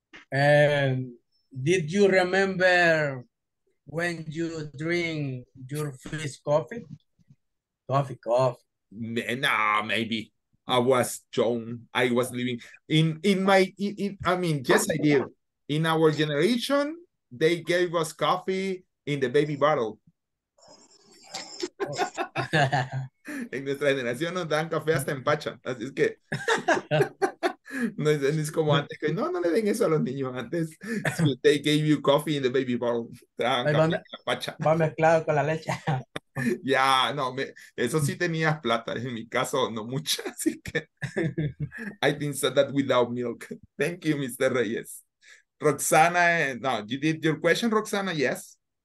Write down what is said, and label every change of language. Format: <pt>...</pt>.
<en>Did you remember when you drink your first coffee? Coffee. No, maybe. I was young. I was living yes, I did. In our generation, they gave us coffee in the baby bottle.</en> <es>En nuestra generación nos dan café hasta en pacha. Así es que... No es como antes. Que, no le den eso a los niños antes.</es> <en>So they gave you coffee in the baby bottle.</en> <es>Te dan café en la pacha. Va mezclado con la leche. Ya, no, eso sí tenías plata. En mi caso, no mucha. Así que...</es> <en>I didn't say that without milk. Thank you, Mr. Reyes. Roxana, no, you did your question, Roxana, yes?</en>